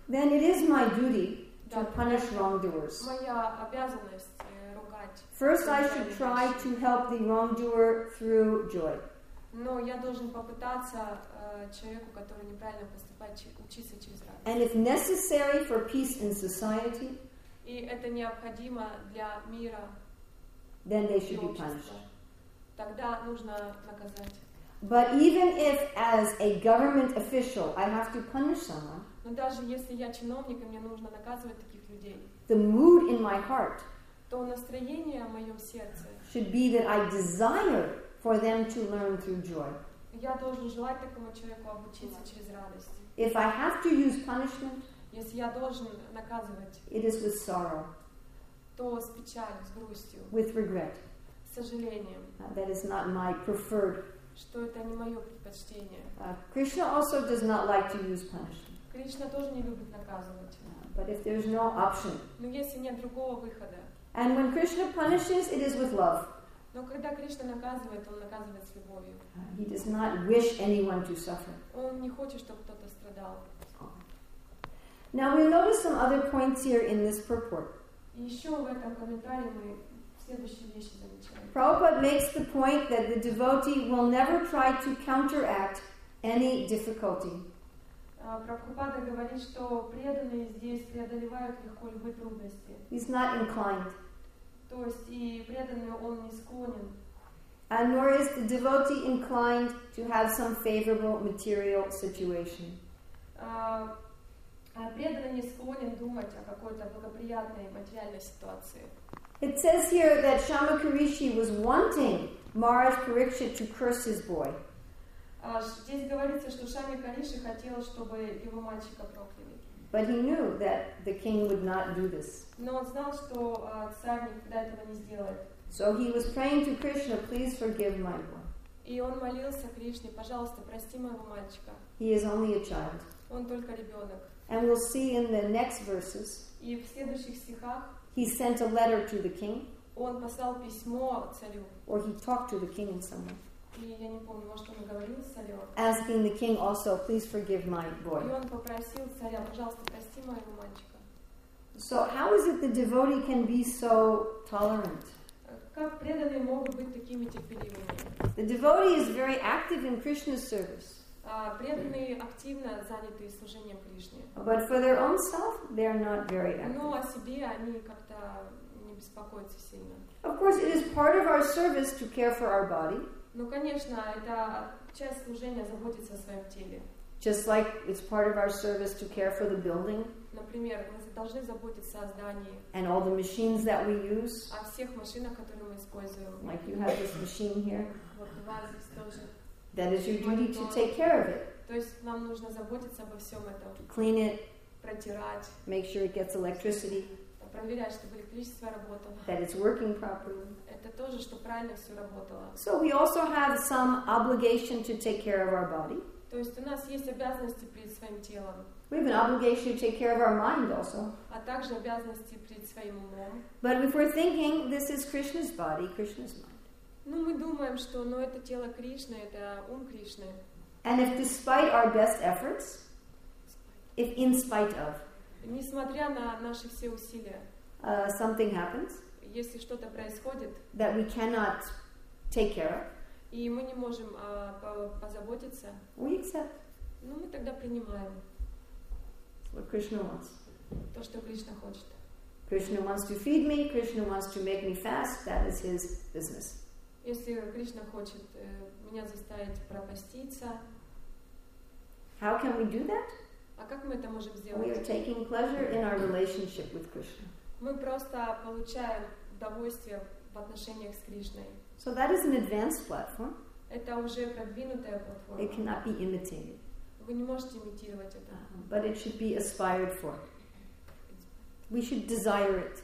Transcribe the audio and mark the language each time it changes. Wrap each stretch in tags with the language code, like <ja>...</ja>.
<en>Then it is my duty to punish wrongdoers.</en> <ru>Моя обязанность ругать.</ru> <en>First I should try to help the wrongdoer through joy.</en> <ru>Но я должен попытаться человеку, который неправильно поступает, учиться через радость.</ru> <en>And if necessary for peace in society,</en> <ru>и это необходимо для мира,</ru> <en>then they should be punished.</en> <ru>Тогда нужно наказать.</ru> <en>But even if as a government official I have to punish someone,</en> <ru>но даже если я чиновник, и мне нужно наказывать таких людей,</ru> <en>the mood in my heart,</en> <ru>то настроение в моем сердце,</ru> <en>should be that I desire for them to learn through joy.</en> <ru>Я должен желать такому человеку обучиться через радость.</ru> <en>If I have to use punishment,</en> <ru>если я должен наказывать,</ru> <en>it is with sorrow,</en> <ru>то с печалью, с грустью,</ru> <en>with regret,</en> <ru>с сожалением.</ru> <en>That is not my preferred.</en> <ru>Что это не мое предпочтение.</ru> <en>Krishna also does not like to use punishment.</en> <ru>Кришна тоже не любит наказывать.</ru> <en>But if there's no option.</en> <ru>Но если нет другого выхода.</ru> <en>And when Krishna punishes, it is with love.</en> <ru>Но когда Кришна наказывает, он наказывает с любовью.</ru> <en>He does not wish anyone to suffer.</en> <ru>Он не хочет, чтобы кто-то страдал.</ru> <en>Now we notice some other points here in this purport.</en> <ru>Еще в этом комментарии мы следующие вещи замечаем.</ru> <en>Prabhupada makes the point that the devotee will never try to counteract any difficulty.</en> <ru>Прабхупада говорит, что преданные здесь преодолевают легко любые трудности.</ru> <en>He's not inclined.</en> <ru>То есть и преданный он не склонен.</ru> <en>And nor is the devotee inclined to have some favorable material situation.</en> <ru>Преданный не склонен думать о какой-то благоприятной материальной ситуации.</ru> <en>It says here that Shamakarishi was wanting Maharaj Parikshit to curse his boy.</en> <ru>Здесь говорится, что Шами Кариши хотел, чтобы его мальчика прокляли.</ru> <en>But he knew that the king would not do this.</en> <ru>Но он знал, что царь никогда этого не сделает.</ru> <en>So he was praying to Krishna, please forgive my boy.</en> <ru>И он молился Кришне, пожалуйста, прости моего мальчика.</ru> <en>He is only a child.</en> <ru>Он только ребенок.</ru> <en>And we'll see in the next verses.</en> <ru>И в следующих стихах.</ru> <en>He sent a letter to the king.</en> <ru>Он послал письмо царю.</ru> <en>Or he talked to the king in some way.</en> <ru>И я не помню, может, он говорил с царем.</ru> <en>Asking the king also, please forgive my boy.</en> <ru>И он попросил царя, пожалуйста, прости моего мальчика.</ru> <en>So how is it the devotee can be so tolerant?</en> <ru>Как преданные могут быть такими терпеливыми?</ru> <en>The devotee is very active in Krishna's service.</en> <ru>преданные активно заняты служением Кришне.</ru> <en>But for their own self, they are not very active.</en> <ru>Но о себе они как-то не беспокоятся сильно.</ru> <en>Of course, it is part of our service to care for our body.</en> <ru>Ну, конечно, это часть служения заботиться о своем теле.</ru> <en>Just like it's part of our service to care for the building.</en> <ru>Например, мы должны заботиться о здании.</ru> <en>And all the machines that we use.</en> <ru>О всех машинах, которые мы используем.</ru> <en>Like you have this machine here.</en> <ru>Вот у вас здесь тоже.</ru> <en>That is your duty to take care of it.</en> <ru>То есть нам нужно заботиться обо всем этом.</ru> <en>To clean it.</en> <ru>Протирать.</ru> <en>Make sure it gets electricity.</en> <ru>Проверять, чтобы электричество работало.</ru> <en>That it's working properly.</en> <ru>Это тоже, чтобы правильно все работало.</ru> <en>So we also have some obligation to take care of our body.</en> <ru>То есть у нас есть обязанности перед своим телом.</ru> <en>We have an obligation to take care of our mind also.</en> <ru>А также обязанности перед своим умом.</ru> <en>But if we're thinking, this is Krishna's body, Krishna's mind.</en> <ru>Ну, мы думаем, что, ну, это тело Кришны, это ум Кришны.</ru> <en>And if despite our best efforts, if in spite of,</en> <ru>несмотря на наши все усилия,</ru> <en>something happens,</en> <ru>если что-то происходит,</ru> <en>that we cannot take care of,</en> <ru>и мы не можем позаботиться,</ru> <en>we accept.</en> <ru>Ну, мы тогда принимаем.</ru> <en>What Krishna wants.</en> <ru>То, что Кришна хочет.</ru> <en>Krishna wants to feed me, Krishna wants to make me fast, that is his business.</en> <ru>Если Кришна хочет меня заставить пропаститься,</ru> <en>how can we do that?</en> <ru>А как мы это можем сделать?</ru> <en>We are taking pleasure in our relationship with Krishna.</en> <ru>Мы просто получаем удовольствие в отношениях с Кришной.</ru> <en>So that is an advanced platform.</en> <ru>Это уже продвинутая платформа.</ru> <en>It cannot be imitated.</en> <ru>Вы не можете имитировать это.</ru> <en>But it should be aspired for. We should desire it.</en>